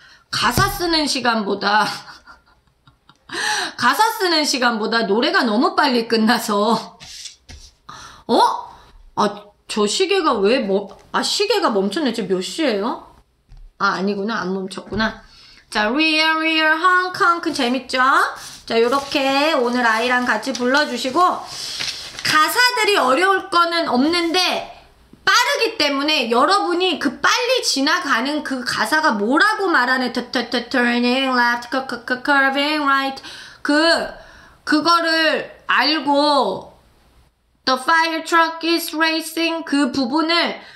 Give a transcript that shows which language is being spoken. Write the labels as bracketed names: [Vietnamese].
[Korean] 가사 쓰는 시간보다 가사 쓰는 시간보다 노래가 너무 빨리 끝나서 어? 아, 저 시계가 왜 시계가 멈췄네. 지금 몇 시예요? 아, 아니구나. 안 멈췄구나. 자, Real Real Hong Kong 재밌죠? 자, 요렇게 오늘 아이랑 같이 불러주시고 가사들이 어려울 거는 없는데 빠르기 때문에 여러분이 그 빨리 지나가는 그 가사가 뭐라고 말하는 [English] turning left, curving right [Korean] 그거를 알고 [English] The fire truck is racing [Korean] 그 부분을